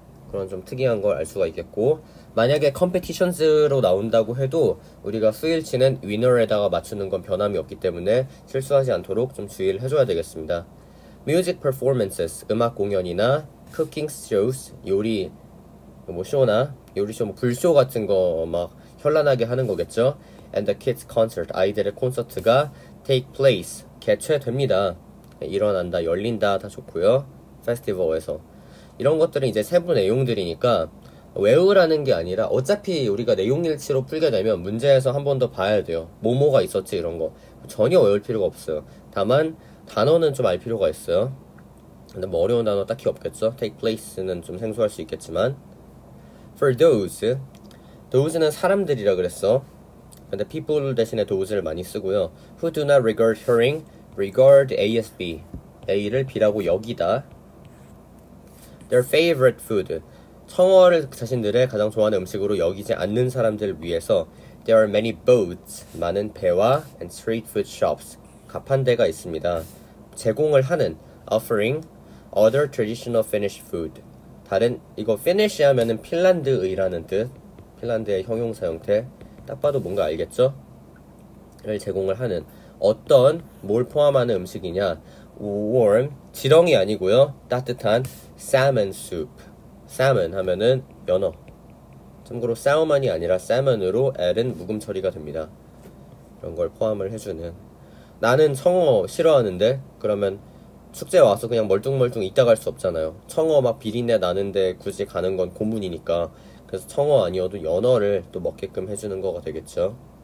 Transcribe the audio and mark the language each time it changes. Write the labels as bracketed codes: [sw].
[ko] 그런 좀 특이한 걸 알 수가 있겠고, 만약에 competitions로 나온다고 해도 우리가 수일치는 winner에다가 맞추는 건 변함이 없기 때문에 실수하지 않도록 좀 주의를 해줘야 되겠습니다. [en] music performances, [ko] 음악 공연이나 [en] cooking shows, [ko] 요리 뭐 쇼나 요리쇼, 뭐 불쇼 같은 거 막 현란하게 하는 거겠죠? [en] And the kids concert, [ko] 아이들의 콘서트가 [en] take place, 개최됩니다. [ko] 일어난다, 열린다 다 좋고요. 페스티벌에서. 이런 것들은 이제 세부 내용들이니까 외우라는 게 아니라 어차피 우리가 내용일치로 풀게 되면 문제에서 한 번 더 봐야 돼요. 뭐뭐가 있었지 이런 거. 전혀 외울 필요가 없어요. 다만 단어는 좀 알 필요가 있어요. 근데 뭐 어려운 단어 딱히 없겠죠? take place는 좀 생소할 수 있겠지만. [en] For those, [ko] those는 사람들이라 그랬어. 근데 people 대신에 those를 많이 쓰고요. [en] Who do not regard hearing, regard A as B. [ko] A를 B라고 여기다. [en] Their favorite food, [ko] 청어를 자신들의 가장 좋아하는 음식으로 여기지 않는 사람들을 위해서. [en] There are many boats, [ko] 많은 배와 [en] and street food shops, [ko] 가판대가 있습니다. 제공을 하는, [en] offering other traditional Finnish food. [ko] 다른 이거 finish 하면은 핀란드의라는 뜻, 핀란드의 형용사 형태, 딱 봐도 뭔가 알겠죠? 를 제공을 하는 어떤 뭘 포함하는 음식이냐. warm, 지렁이 아니고요. [en] 따뜻한 salmon soup. [ko] salmon 하면은 연어. 참고로 salmon이 아니라 salmon으로 L은 묵음 처리가 됩니다. 이런 걸 포함을 해주는. 나는 청어 싫어하는데, 그러면 축제 와서 그냥 멀뚱멀뚱 있다 갈 수 없잖아요. 청어 막 비린내 나는데 굳이 가는 건 고문이니까. 그래서 청어 아니어도 연어를 또 먹게끔 해주는 거가 되겠죠.